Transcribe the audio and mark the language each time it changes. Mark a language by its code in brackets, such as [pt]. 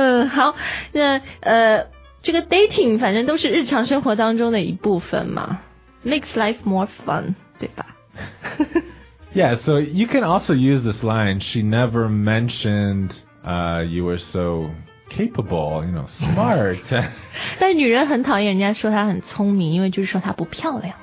[zh] 好，那这个 dating 反正都是日常生活当中的一部分嘛。 [en] Makes life more fun, [zh] 对吧？ [en] Yeah, so you can also use this line, she never mentioned, you were so... capable, you know, smart. [zh] 但女人很讨厌人家说她很聪明，因为就是说她不漂亮。